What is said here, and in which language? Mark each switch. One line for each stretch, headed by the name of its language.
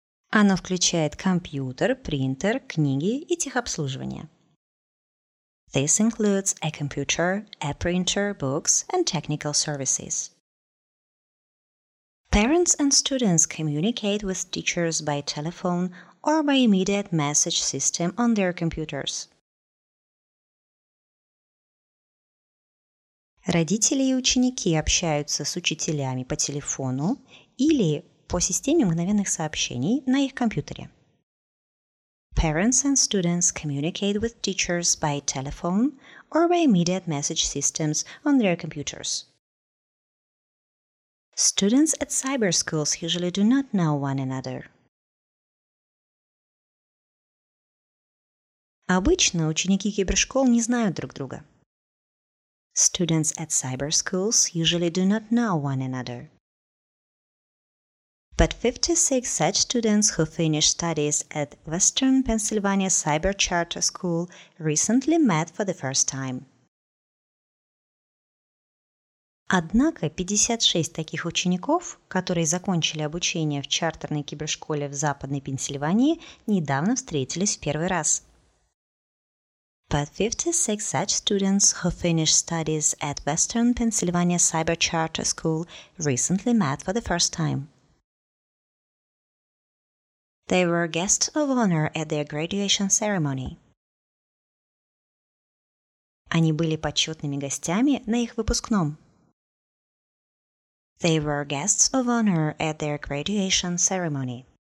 Russian: Оно включает компьютер, принтер, книги и техобслуживание.
English: This includes a computer, a printer, books and technical services. Parents and students communicate with teachers by telephone or by immediate message system on their computers.
Russian: Родители и ученики общаются с учителями по телефону или по системе мгновенных сообщений на их компьютере.
English: Parents and students communicate with teachers by telephone or by immediate message systems on their computers. Students at cyber schools usually do not know one another.
Russian: Обычно ученики кибершкол не знают друг друга.
English: Students at cyber schools usually do not know one another. But 56 such students who finished studies at Western Pennsylvania Cyber Charter School recently met for the first time.
Russian: Однако 56 таких учеников, которые закончили обучение в чартерной кибершколе в Западной Пенсильвании, недавно встретились в первый раз.
English: But 56 such students who finished studies at Western Pennsylvania Cyber Charter School recently met for the first time. They were guests of honor at their graduation ceremony.
Russian: Они были почетными гостями на их выпускном.
English: They were guests of honor at their graduation ceremony.